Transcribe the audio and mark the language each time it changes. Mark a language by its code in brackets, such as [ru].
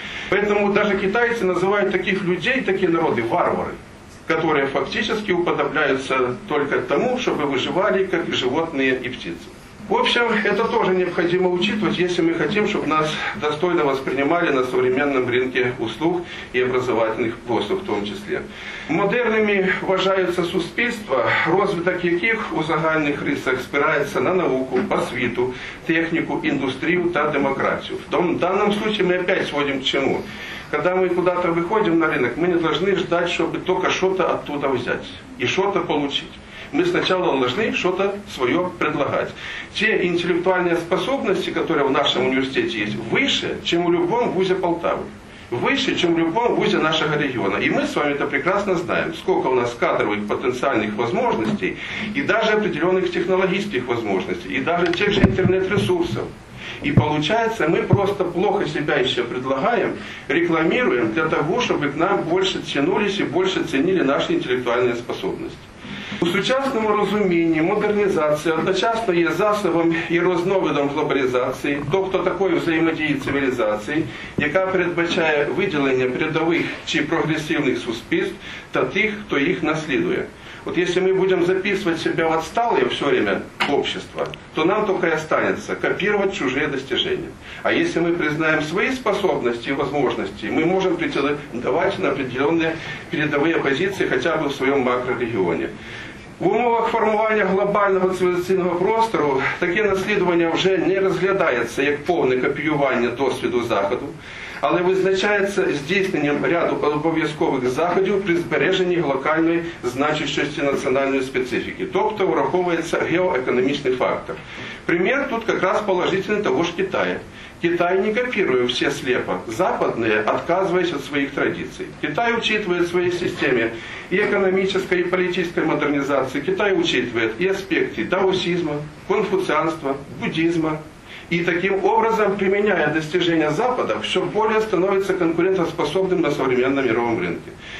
[ru] Поэтому даже китайцы называют таких людей, такие народы, варвары, которые фактически уподобляются только тому, чтобы выживали, как и животные и птицы. В общем, это тоже необходимо учитывать, если мы хотим, чтобы нас достойно воспринимали на современном рынке услуг и образовательных послуг в том числе. Модерными уважаются [uk] суспільства, розвиток яких у загальних рисах спирається на науку, освіту, техніку, індустрію та демократію. [ru] В даному случае ми опять сводим к чему? Когда мы куда-то выходим на рынок, мы не должны ждать, чтобы только что-то оттуда взять и что-то получить. Мы сначала должны что-то свое предлагать. Те интеллектуальные способности, которые в нашем университете есть, выше, чем в любом вузе Полтавы. Выше, чем в любом вузе нашего региона. И мы с вами это прекрасно знаем. Сколько у нас кадровых потенциальных возможностей и даже определенных технологических возможностей. И даже тех же интернет-ресурсов. И получается, мы просто плохо себя еще предлагаем, рекламируем для того, чтобы к нам больше тянулись и больше ценили наши интеллектуальные способности. [uk] У сучасному розумінні модернізація одночасно є засобом і розновидом глобалізації, тобто такої взаємодії цивілізації, яка передбачає виділення передових чи прогресивних суспільств та тих, хто їх наслідує. От якщо ми будемо записувати себе в відсталі [ru] все время общества, [uk] то нам тільки і останеться копірувати чужі достижения. А якщо ми признаємо свої способності і можливості, ми можемо претендувати на определенні передові позиції хоча б в своєму макрорегіоні. В умовах формування глобального цивілізаційного простору таке наслідування вже не розглядається як повне копіювання досвіду Заходу, але визначається здійсненням ряду обов'язкових заходів при збереженні локальної значущості національної специфіки, тобто враховується геоекономічний фактор. Примір тут якраз положительний того ж Китаю. [ru] Китай не копирует все слепо западные, отказываясь от своих традиций. Китай учитывает в своей системе и экономической, и политической модернизации. Китай учитывает и аспекты даосизма, конфуцианства, буддизма. И таким образом, применяя достижения Запада, все более становится конкурентоспособным на современном мировом рынке.